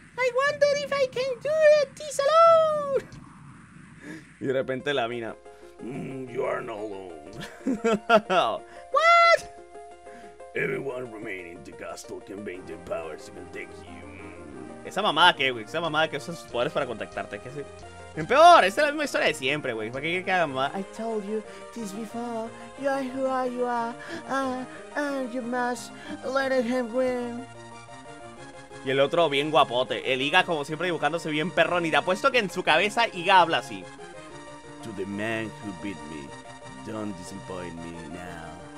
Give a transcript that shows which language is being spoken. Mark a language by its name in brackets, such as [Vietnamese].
[English] I wonder if I can do it this alone. [Spanish] Y de repente la mina [English] You are not alone. What? Everyone remaining in the castle can bring their powers to contact you. [Spanish] Esa mamada que, güey, esa mamada que usa sus poderes para contactarte, que se... En peor, esta es la misma historia de siempre, güey. ¿Para qué quiere que haga mamada? [English] I told you this before, you are who are you are, and you must let him win. [Spanish] Y el otro bien guapote, el Iga como siempre dibujándose bien perrón, y te apuesto que en su cabeza Iga habla así. [English] To the man who beat me, don't disappoint me now.